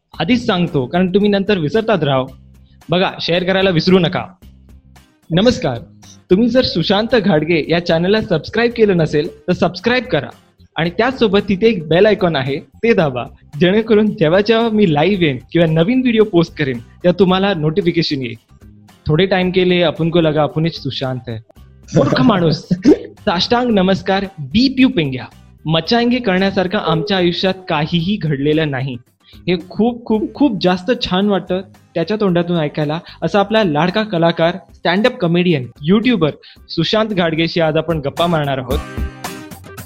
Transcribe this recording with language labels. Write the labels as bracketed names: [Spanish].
[Marathi] आधीच सांगतो कारण तुम्ही नंतर विसरतात राव. बघा, शेअर करायला विसरू नका. नमस्कार, तुम्ही जर सुशांत घाडगे या चॅनलला सबस्क्राईब केलं नसेल तर सबस्क्राईब करा आणि त्याचसोबत तिथे एक बेल आयकॉन आहे ते दाबा, जेणेकरून जेव्हा जेव्हा मी लाईव्ह येईन किंवा नवीन व्हिडिओ पोस्ट करेन तेव्हा तुम्हाला नोटिफिकेशन येईल. [Hindi] थोडे टाइम के लिए अपन को लगा अपन सुशांत है. [Marathi] मूर्ख माणूस, साष्टांग नमस्कार, बी पियू पिंग्या. मचाएंगे करण्यासारखं आमच्या आयुष्यात काहीही घडलेलं नाही हे खूप खूप खूप जास्त छान वाटतं त्याच्या तोंडातून ऐकायला, असं आपला लाडका कलाकार, stand up comedian, YouTuber Sushant घाडगेशी आज आपण गप्पा मारणार आहोत.